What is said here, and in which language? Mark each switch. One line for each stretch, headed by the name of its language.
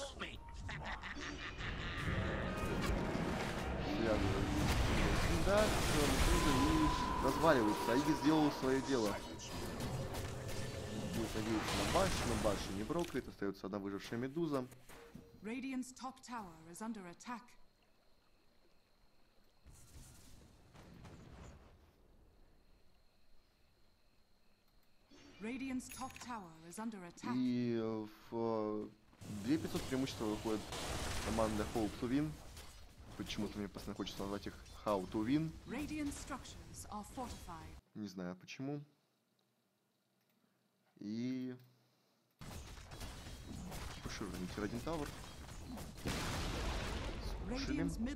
Russian: Связывает его. Да, все, и разваливается. Айги сделал свое дело. Надеется на башню, но башня не брокает, остается одна выжившая медуза.
English: Radiant's top tower is under attack. Radiant's top tower is under attack.
Russian: И в 2500 преимущество выходит команда How to Win. Почему-то мне постоянно хочется назвать их How to Win.
English: Radiant's structures are fortified.
Russian: Не знаю почему. И пушируем тир один тауэр. Пушируем.